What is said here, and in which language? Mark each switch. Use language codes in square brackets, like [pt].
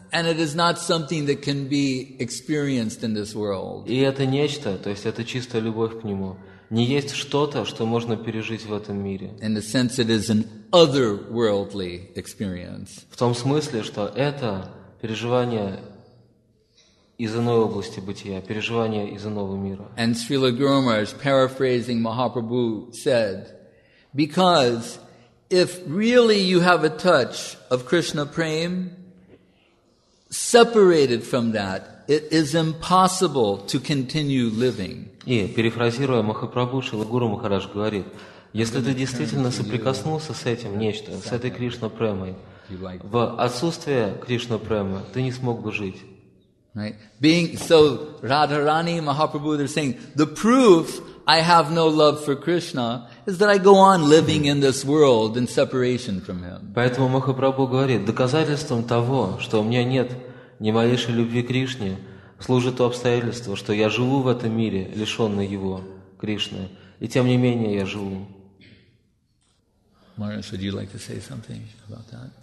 [en] And it is not something that can be experienced in this world. [ru] И это нечто, то есть это чистая любовь к нему, не есть что-то, что можно пережить в этом мире. [en] In the sense it is an otherworldly experience. [ru] В том смысле, что это переживание из иной области бытия, переживание из иного мира. [en] And Srila Guru Maharaj, paraphrasing Mahaprabhu, said, because If really you have a touch of Krishna prema, separated from that, it is impossible to continue living. [ru] И перефразируя Махапрабху, Шрила Гуру Махарадж говорит, если ты действительно соприкоснулся с этим нечто, с этой Кришна премой, в отсутствие Кришна премы ты не смог бы жить. [en] Right? Being so, Radharani, Mahaprabhu, they're saying the proof I have no love for Krishna is that I go on living in this world in separation from Him. [ru] Поэтому Махапрабху говорит, доказательством того, что у меня нет ни малейшей любви к Кришне, служит то обстоятельство, что я живу в этом мире, лишенный Его, Кришны, и тем не менее я живу. [en] Maharaj, would you like to say something about that?